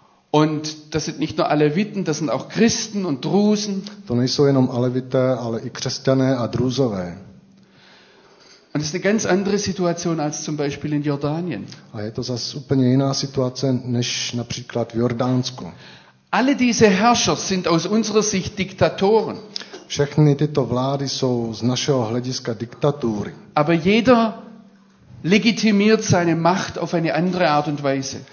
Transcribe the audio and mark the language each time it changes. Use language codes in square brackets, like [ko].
[de] Und das sind nicht nur Aleviten, das sind auch Christen und Drusen. [cs] To nejsou jenom Alevité, ale i křesťané a Drusové. [de] Und das ist eine ganz andere Situation als zum Beispiel in Jordanien. [cs] A je to zas úplně jiná situace než například v Jordánsku. [de] Alle diese Herrscher sind aus unserer Sicht Diktatoren. [cs] Všechny tyto vlády jsou z našeho hlediska diktatury. [de] Aber jeder legitimiert seine Macht auf eine andere Art und Weise.